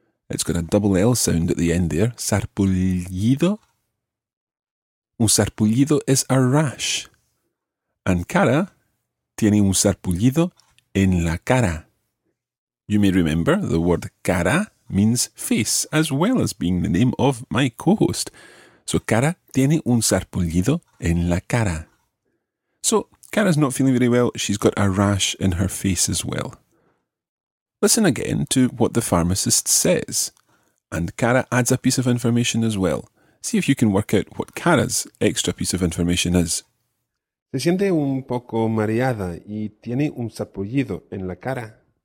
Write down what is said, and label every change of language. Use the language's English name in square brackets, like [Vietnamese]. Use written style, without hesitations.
[English] It's got a double L sound at the end there. Sarpullido. [Spanish] Un sarpullido [English] is a rash. And [Spanish] Cara tiene un sarpullido en la cara. [English] You may remember the word cara means face, as well as being the name of my co-host. [Spanish] So Cara tiene un sarpullido en la cara. [English] So Cara's not feeling very well. She's got a rash in her face as well. Listen again to what the pharmacist says. And Cara adds a piece of information as well. See if you can work out what Cara's extra piece of information is. [Spanish] Se siente un poco mareada y tiene un sarpullido en la cara.